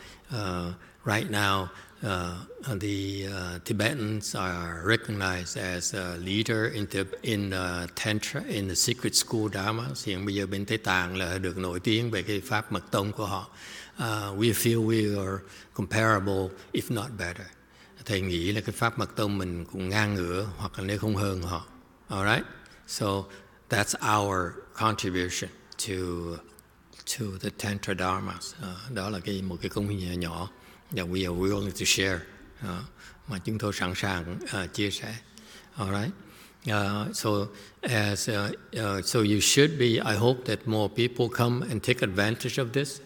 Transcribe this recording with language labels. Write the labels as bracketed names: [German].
[English] So right now the Tibetans are recognized as a leader in the Tantra, in the secret school Dharma. [Vietnamese] Hiện bây giờ bên Tây Tạng là được nổi tiếng về cái pháp mật tông của họ. [English] We feel we are comparable, if not better. [Vietnamese] Thầy nghĩ là cái pháp mật tông mình cũng ngang ngửa hoặc là nếu không hơn họ. [English] All right? So that's our contribution to the Tantra Dharmas. [Vietnamese] Đó là một cái công hiến nhỏ [English] that we are willing to share, [Vietnamese] mà chúng tôi sẵn sàng chia sẻ. [English] All right? So you should be. I hope that more people come and take advantage of this.